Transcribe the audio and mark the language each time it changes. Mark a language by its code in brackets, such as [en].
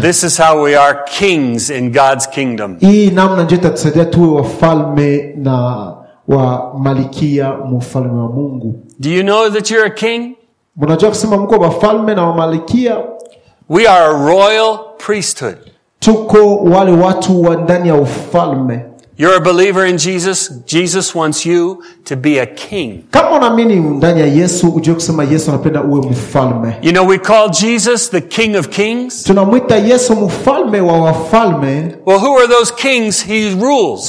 [en] This is how we are kings in God's kingdom. [sw] Hii namna ndio itatusaidia tuwe wafalme na wa malikia mfalme wa Mungu. [en] Do you know that you're a king? [sw] Unajua kusema mko wafalme na wa malikia? [en] We are a royal priesthood. [sw] Tuko wale watu wa ndani ya ufalme. [en] You're a believer in Jesus. Jesus wants you to be a king. [sw] Kama unaamini ndani ya Yesu, unajua kusema Yesu anapenda uwe mfalme. [en] You know we call Jesus the King of Kings. [sw] Tunamwita Yesu mfalme wa wafalme. [en] Well, who are those kings he rules?